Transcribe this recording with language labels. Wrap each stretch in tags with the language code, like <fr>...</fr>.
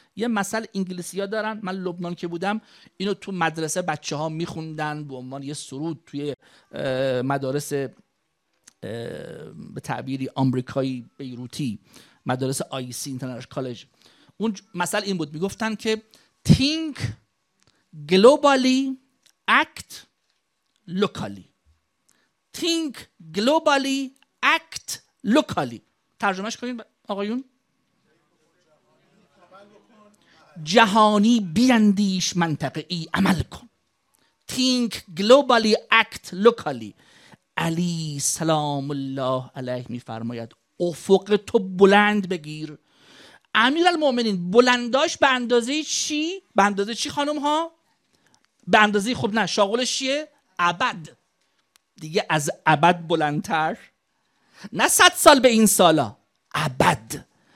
<fa>یه مثل انگلیسی ها دارن، من لبنان که بودم اینو تو مدرسه بچه ها میخوندن به عنوان یه سرود توی مدارس به تعبیری آمریکایی بیروتی، مدارس آی سی اینترنشنال کالج. اون مثل این بود، میگفتن که</fa> <en>think globally act locally. Think globally, act locally.</en> <fa>ترجمهش کنید آقایون. جهانی بیندیش منطقه ای عمل کن.</fa> <en>Think globally, act locally.</en> <fa>علی سلام الله علیه می فرماید افق تو بلند بگیر. امیرالمومنین بلنداش به اندازه چی؟ به اندازه چی خانم ها؟ به اندازه خوب نه، شاغلش چیه؟ ابد. دیگه از ابد بلندتر، نه 100 سال به این سالا، ابد.</fa>